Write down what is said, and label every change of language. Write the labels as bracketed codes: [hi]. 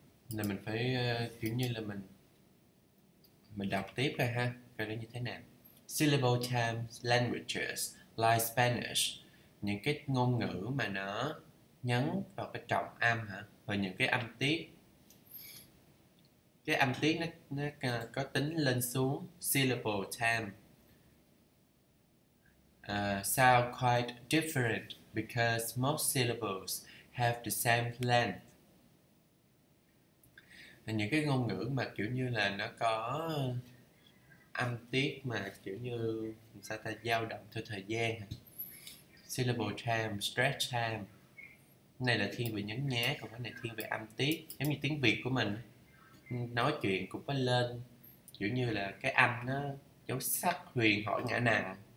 [vi] Là mình phải kiểu như là mình đọc tiếp rồi ha, coi nó như thế nào. [en] Syllable time languages like Spanish, [vi] những cái ngôn ngữ mà nó nhấn vào cái trọng âm hả, và những cái âm tiết, cái âm tiết nó có tính lên xuống. [en] Syllable time sound quite different because most syllables have the same length [vi] những cái ngôn ngữ mà kiểu như là nó có âm tiết mà kiểu như sao ta dao động theo thời gian, syllable time, stress time, này là thiên về nhấn nhá, còn cái này thiên về âm tiết, giống như tiếng Việt của mình nói chuyện cũng có lên kiểu như là cái âm nó dấu sắc huyền hỏi ngã nặng,